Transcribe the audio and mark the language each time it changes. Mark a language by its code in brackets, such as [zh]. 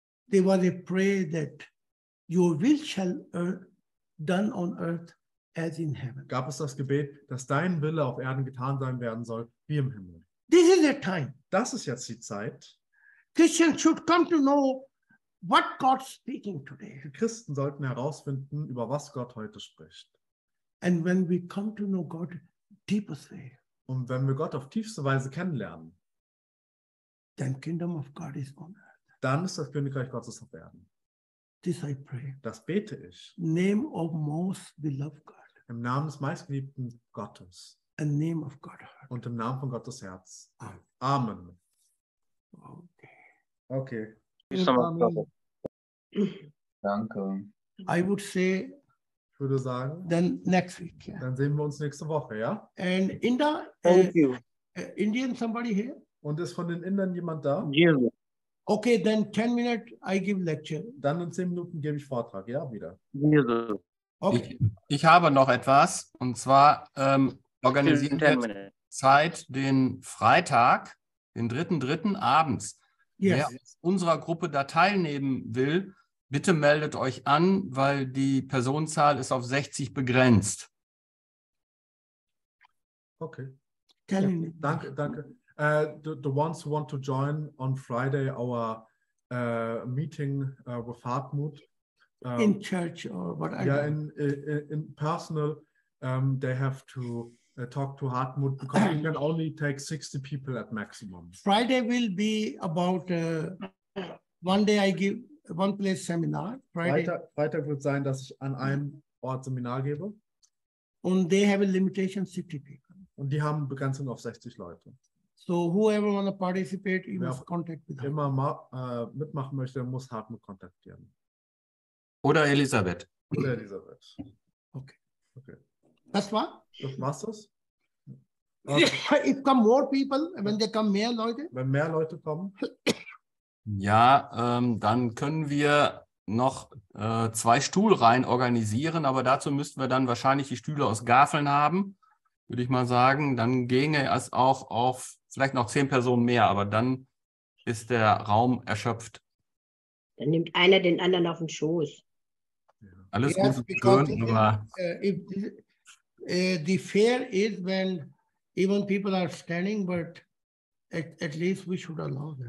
[en] There was a prayer that your will shall done on earth as in heaven. [de] Gab es das Gebet, dass dein Wille auf Erden getan sein werden soll, wie im Himmel. [en] This is the time. [de] Das ist jetzt die Zeit. [en] Christians should come to know what God's speaking today. [de] Die Christen sollten herausfinden, über was Gott heute spricht. [en] And when we come to know God deepest way. [de] Und wenn wir Gott auf tiefste Weise kennenlernen, [en] then kingdom of God is on earth. [de] Dann ist das Königreich Gottes auf Erden. [en] This I pray. [de] Das bete ich. [en] Name of most beloved God. [de] Im Namen des meistgeliebten Gottes. [en] And name of God. [de] Und im Namen von Gottes Herz. [en] Amen. [de] Amen. [en] Okay. [de] Danke. [en] I would say. [de] Ich würde sagen. [en] Then next week. Yeah. [de] Dann sehen wir uns nächste Woche, ja? [en] And Inder. Thank you. Indian somebody here? [de] Und ist von den Indern jemand da? [en] Yes. Okay, then 10 minutes I give lecture. [de] Dann in 10 Minuten gebe ich Vortrag, ja, wieder. [en] Yes. Okay. [de] Ich habe noch etwas, und zwar organisieren wir Zeit den Freitag, den 3.3. abends. [en] Yes. [de] Wer aus unserer Gruppe da teilnehmen will, bitte meldet euch an, weil die Personenzahl ist auf 60 begrenzt. Okay. Danke. [en] The ones who want to join on Friday our meeting with Hartmut. In church or whatever. Yeah, in personal, they have to talk to Hartmut because we can only take 60 people at maximum. Friday will be about one day I give one place seminar. [de] Freitag wird sein, dass ich an einem Ort Seminar gebe. [en] And they have a limitation 60 people. [de] Und die haben Begrenzung auf 60 Leute. [en] So whoever wanna participate, you must contact with [de] Hartmut. Wer immer mitmachen möchte, muss Hartmut kontaktieren. Oder Elisabeth. Oder Elisabeth. Okay. Das war's. Das war's. Okay. [en] If come more people, when they come [de] mehr Leute. Wenn mehr Leute kommen. Ja, dann können wir noch zwei Stuhlreihen organisieren, aber dazu müssten wir dann wahrscheinlich die Stühle aus Gafeln haben, würde ich mal sagen. Dann ginge es auch auf vielleicht noch 10 Personen mehr, aber dann ist der Raum erschöpft. Dann nimmt einer den anderen auf den Schoß. Alles gut und schön, aber [en] the fear is when even people are standing, but at least we should allow them.